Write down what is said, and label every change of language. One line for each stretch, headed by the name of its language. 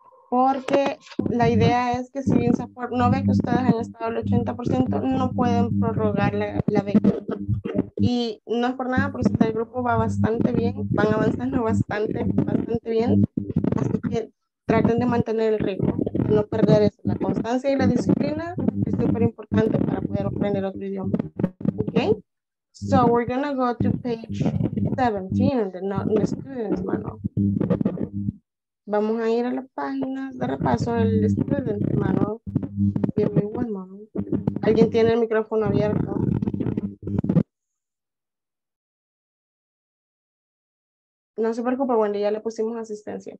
Spanish: Porque la idea es que si bien SAPOR no ve que ustedes han estado al 80%, no pueden prorrogar la beca. Y no es por nada, pero si el grupo va bastante bien, van avanzando bastante, bastante bien. Así que traten de mantener el ritmo, no perder eso. La constancia y la disciplina es súper importante para poder aprender otro idioma. ¿Ok?
English: So we're going to go to page 17, the students manual.
Spanish: Vamos a ir a las páginas de repaso del student manual.
English: Give me one moment.
Spanish: ¿Alguien tiene el micrófono abierto? No se preocupe, Wendy, ya le pusimos asistencia.